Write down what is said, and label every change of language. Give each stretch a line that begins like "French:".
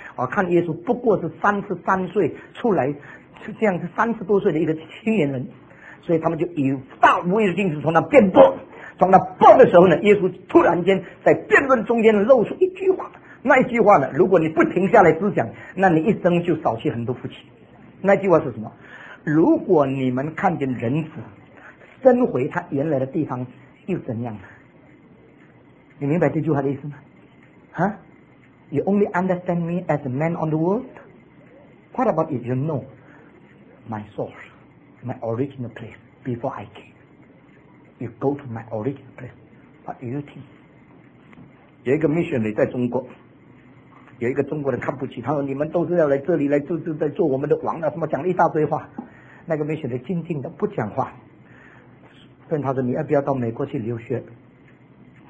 Chinese: 我看耶稣不过是33岁出来，是这样是30多岁的一个青年人，所以他们就以大无畏的精神从那辩驳，从那驳的时候呢，耶稣突然间在辩论中间露出一句话，那一句话呢，如果你不停下来思想，那你一生就少去很多福气。那句话是什么？如果你们看见人子生回他原来的地方又怎样呢？你明白这句话的意思吗？
English: 啊 ？You only understand me as a man on the world. What about if you know my source, my original place before I came? You go to my original place. What do you think?
Chinese: 有一个 missionary 在中国，有一个中国人看不起他说：“你们都是要来这里来就在做我们的王啊！”什么讲了一大堆话。那个 missionary 静静的不讲话，问他说：“你要不要到美国去留学？”